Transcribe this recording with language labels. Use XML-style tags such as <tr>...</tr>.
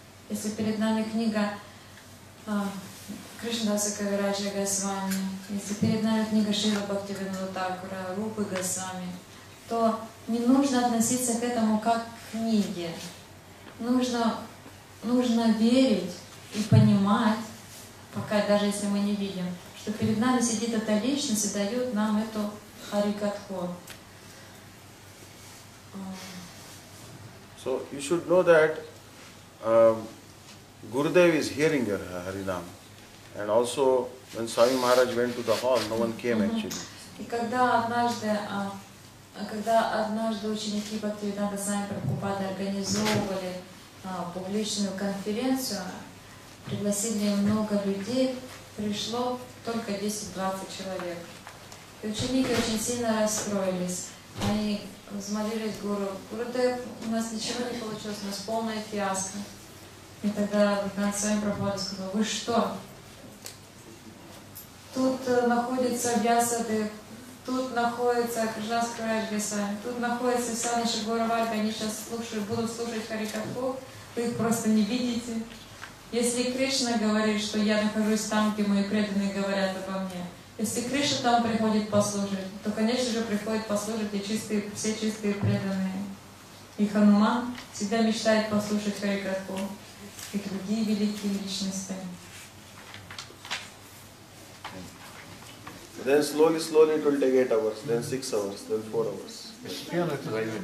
<ru>Если перед нами книга Кришнадаса Кавираджа Госвами, если перед нами книга Шрила Бхактивинода Тхакура, Рупы Госвами, то не нужно относиться к этому как к книге. Нужно верить и понимать, пока даже если мы не видим, что перед нами сидит эта личность и дает нам эту харикатху.</ru> <en>So you should know that Gurudev is hearing your Harinam. And also when Swami Maharaj went to the hall, no one came actually.</en> <ru>И когда однажды ученики Бхактивинода Свами Прабхупады организовывали публичную конференцию, пригласили много людей, пришло только 10-20 человек. И ученики очень сильно расстроились. Они взмолились Гуру. Гурудев, у нас ничего не получилось, у нас полная фиаско. И тогда Бхактивинода Свами Прабхупада сказал, вы что? Тут находится Вьясадев, тут находится Кришнадас Кавираджа Госвами, тут находится вся наша Гуравальга, они сейчас слушают, будут слушать Харикатху, вы их просто не видите. Если Кришна говорит, что я нахожусь там, где мои преданные говорят обо мне, если Кришна там приходит послужить, то, конечно же, приходит послужить и чистые, все чистые преданные. И Хануман всегда мечтает послушать Харикатху и другие великие личности.</ru> <en>Then slowly it will take 8 hours, then 6 hours, then 4 hours.</en>